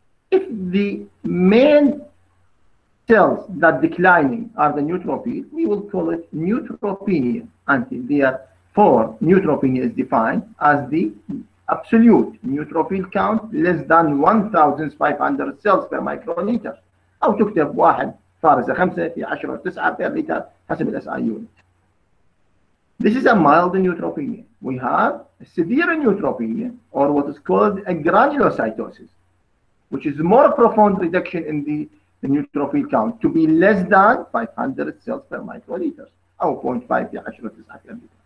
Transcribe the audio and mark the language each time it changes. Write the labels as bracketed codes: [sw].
[en] If the main cells that declining are the neutrophil, we will call it neutropenia. And therefore, neutropenia is defined as the absolute neutrophil count less than 1,500 cells per microliter. [ar] أو تكتب واحد فارز 5 في 10 9 per liter حسب الـ SI unit. [en] This is a mild neutropenia. We have a severe neutropenia or what is called a granulocytosis, which is more profound reduction in the neutrophil count to be less than 500 cells per microliter [ar] أو 0.5 في 10 9 [en] per liter.